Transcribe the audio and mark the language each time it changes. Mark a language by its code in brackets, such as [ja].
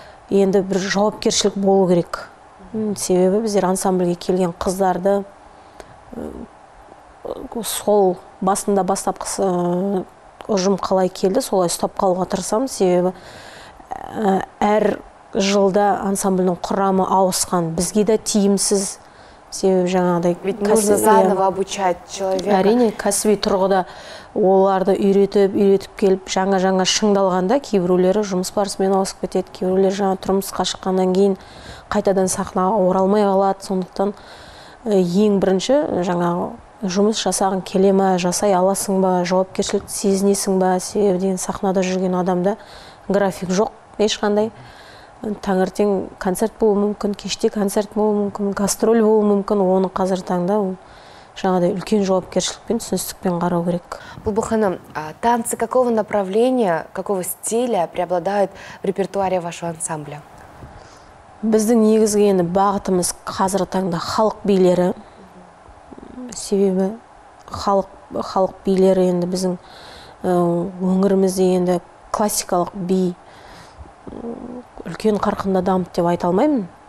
[kk] Енді бір жауапкершілік болу керек. Себебі біздер ансамбльге келген қыздарды сол басында бастап ұжым қалай келді, солай ұстап қалуға тырысамыз. Себебі әр жылда ансамбльдің құрамы ауысқан, бізге де тиімсіз. Себебі жаңағыдай [ru] нужно заново обучать человека. [kk] Әрине, кәсіби тұрғыда оларды үйретіп келіп, жаңа-жаңа шыңдалғанда кейбіреулері жұмыс барысымен ауысып кетеді, кейбіреулері жаңа тұрмысқа шыққаннан кейін қайтадан сахнаға оралмай қалады. Сондықтан ең бірінші жаңа жұмыс жасағың келе ме, жасай аласың ба, жауапкершілік сезінесің ба. Себебі деген сахнада жүрген адамда график жоқ ешқандай. Таңертең концерт болуы мүмкін, кеште концерт болуы мүмкін, гастроль болуы мүмкін. Оны қазір таңда жаңағыдай үлкен жауапкершілікпен, түсіністікпен қарау керек. [ru] Бұлбұл ханым, танцы какого направления, какого стиля преобладают в репертуаре вашего ансамбля? [kk] Біздің негізгі енді бағытымыз қазір таңда халық билері. Себебі халық билері енді біздің өңірімізде енді классикалық би үлкен қарқында дамып деп айта алмаймын.